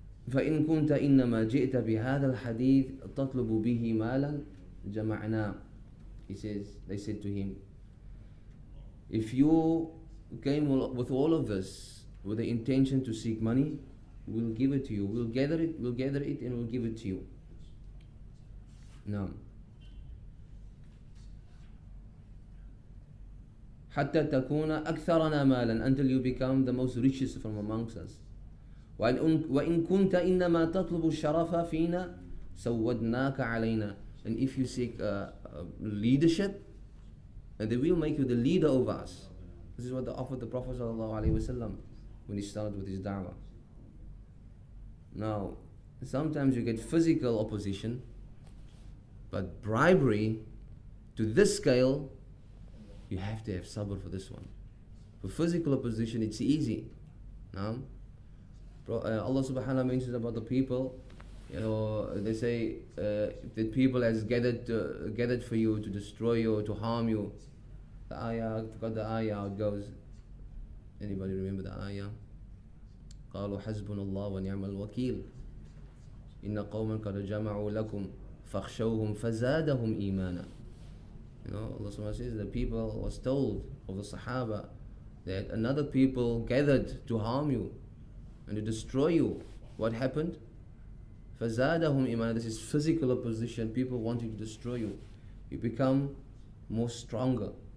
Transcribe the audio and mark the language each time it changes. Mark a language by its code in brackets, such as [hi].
[ar] فَإِنْ كُنْتَ إِنَّمَا جِئْتَ بِهَذَا الْحَدِيثِ تَطْلُبُ بِهِ مَالًا جَمَعْنَا [en] He says, they said to him, if you came with all of this with the intention to seek money, we'll give it to you. We'll gather it and we'll give it to you. [ar] نعم. حتى تكون أكثرنا مالا [en] until you become the most richest from amongst us. [ar] وإن كنت إنما تطلب الشرف فينا سودناك علينا. [en] And if you seek leadership, they will make you the leader over us. This is what they offered the Prophet sallallahu alaihi wasallam when he started with his da'wah. Now, sometimes you get physical opposition, but bribery to this scale, you have to have sabr for this one. For physical opposition, it's easy. No? Allah subhanahu wa ta'ala mentions about the people, you know, they say that people has gathered for you to destroy you, to harm you. The ayah, forgot the ayah, it goes. Anybody remember the ayah? [ar] قالوا حسبنا الله ونعم الوكيل إن قوما قد جمعوا لكم فخشوهم فزادهم إيمانا. [en] You know, Allah SWT says the people was told of the Sahaba that another people gathered to harm you and to destroy you. What happened? [ar] فزادهم إيمانا. [en] This is physical opposition. People wanting to destroy you. You become more stronger.